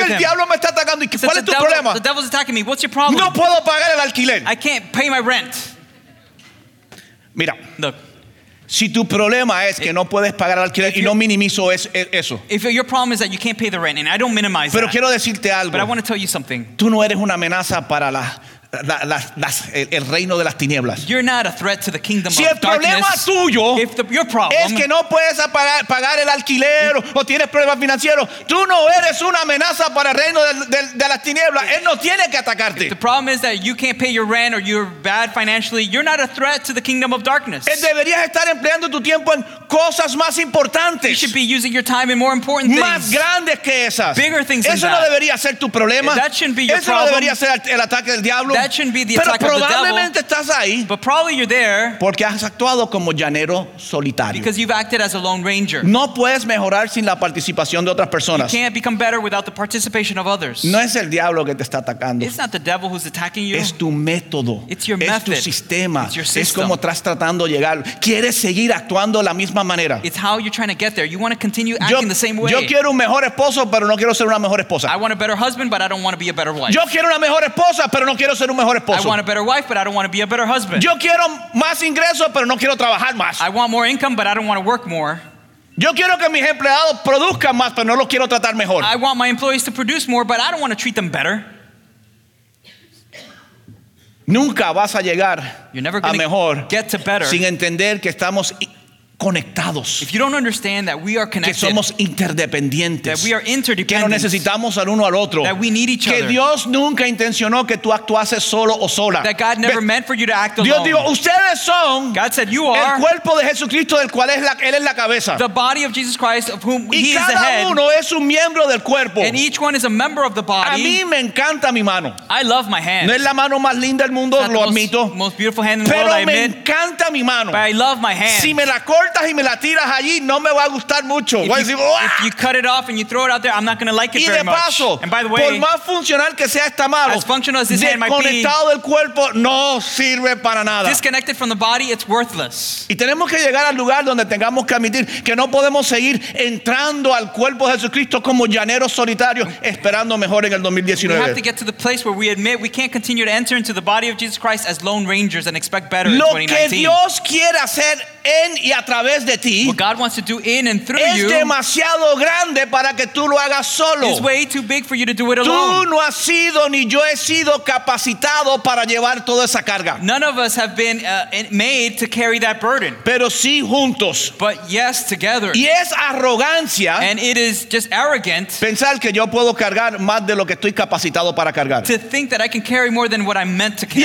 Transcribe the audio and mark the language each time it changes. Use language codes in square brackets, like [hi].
[es] El problema es que el diablo me está atacando. ¿Y cuál es tu problema? [en] The devil is attacking me. What's your problem? [es] No puedo pagar el alquiler. [en] I can't pay my rent. [es] Mira. [en] Look. [es] Si tu problema es que no puedes pagar el alquiler y no minimizo eso. [en] If your problem is that you can't pay the rent and I don't minimize [es] pero [en] that. [es] Quiero decirte algo. [en] But I want to tell you something. [es] Tú no eres una amenaza para el reino de las tinieblas. [en] You're not a threat to the kingdom [es] si [en] of darkness. [es] Si el problema tuyo es que no puedes pagar el alquiler o tienes problemas financieros, tú no eres una amenaza para el reino de las tinieblas. Él no tiene que atacarte. [en] If the problem is that you can't pay your rent or you're bad financially, you're not a threat to the kingdom of darkness. [es] Deberías estar empleando tu tiempo en cosas más importantes. [en] You should be using your time in more important things. [es] Más grandes que esas. [en] Bigger things [es] eso [en] than that. [es] Eso no debería ser tu problema. [en] That shouldn't be your [es] eso [en] problem. [es] Eso no debería ser el ataque del diablo. [en] That shouldn't be the attack [es] pero [en] of the devil. [es] Estás ahí [en] but probably you're there [es] porque has actuado como llanero solitario. [en] Because you've acted as a lone ranger. [es] No puedes mejorar sin la participación de otras personas. [en] You can't become better without the participation of others. [es] No es el diablo que te está atacando. [en] It's not the devil who's attacking you. [es] Es tu método. [en] It's your method. [es] Es tu sistema. [en] It's your system. [es] Es como estás tratando de llegar. Quieres seguir actuando la misma manera. [en] It's how you're trying to get there. You want to continue acting the same way. [es] Yo quiero un mejor esposo, pero no quiero ser una mejor esposa. [en] I want a better husband, but I don't want to be a better wife. [es] Yo quiero una mejor esposa, pero no quiero ser un mejor esposo. [en] I want a better wife, but I don't want to be a better husband. [es] Yo quiero más ingresos, pero no quiero trabajar más. [en] I want more income, but I don't want to work more. [es] Yo quiero que mis empleados produzcan más, pero no los quiero tratar mejor. [en] I want my employees to produce more, but I don't want to treat them better. [es] Nunca vas a llegar a mejor [en] get to better [es] sin entender que estamos conectados. [en] If you don't understand that we are connected, [es] que somos interdependientes, [en] that we are interdependent, [es] que nos necesitamos al uno al otro, [en] that we need each [es] que [en] other. [es] Dios nunca intencionó que tú actuases solo o sola. [en] That God never meant for you to act alone. [es] Dios dijo, ustedes son [en] God said, you are [es] el cuerpo de Jesucristo del cual él es la cabeza. [en] The body of Jesus Christ of whom [es] y [en] he [es] cada [en] is the head. [es] Uno es un miembro del cuerpo. [en] And each one is a member of the body. [es] A mí me encanta mi mano. [en] I love my hand. [es] No es la mano más linda del mundo, lo admito. [en] Most beautiful hand in [es] pero [en] the world, [es] me [en] I admit. [es] Encanta mi mano. [en] But I love my hand. [es] Si me la y me la tiras allí no me va a gustar mucho [en] if you cut it off and you throw it out there I'm not going to like it very much and by the way [es] por más funcional que sea esta mano, [en] as functional as this hand might be [es] desconectado del cuerpo no sirve para nada [en] disconnected from the body it's worthless [es] y tenemos que llegar al lugar donde tengamos que admitir que no podemos seguir entrando al cuerpo de Jesucristo como llaneros solitarios esperando mejor en el 2019 [en] we have to get to the place where we admit we can't continue to enter into the body of Jesus Christ as lone rangers and expect better [es] lo [en] in 2019 [es] lo que Dios quiere hacer en y a través de ti [en] what God wants to do in and through [es] es [en] you [es] es demasiado grande para que tú lo hagas solo [en] it's way too big for you to do it alone [es] tú no has sido ni yo he sido capacitado para llevar toda esa carga [en] none of us have been made to carry that burden [es] pero sí juntos [en] but yes together [es] y es arrogancia [en] and it is just arrogant [es] pensar que yo puedo cargar más de lo que estoy capacitado para cargar [en] to think that I can carry more than what I'm meant to carry